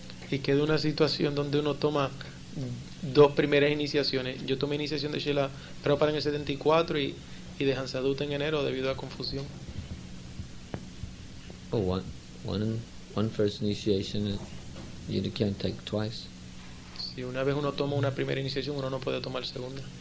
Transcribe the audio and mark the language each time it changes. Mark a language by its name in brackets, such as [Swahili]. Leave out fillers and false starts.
[Spanish] Y queda una situación donde uno toma dos primeras iniciaciones. Yo tomé iniciación de Srila Prabhupada en el 74 y de Hansadutta en enero debido a confusión. [English] Oh, one first initiation, you can't take twice. [Spanish] Si una vez uno toma una primera iniciación, uno no puede tomar segunda.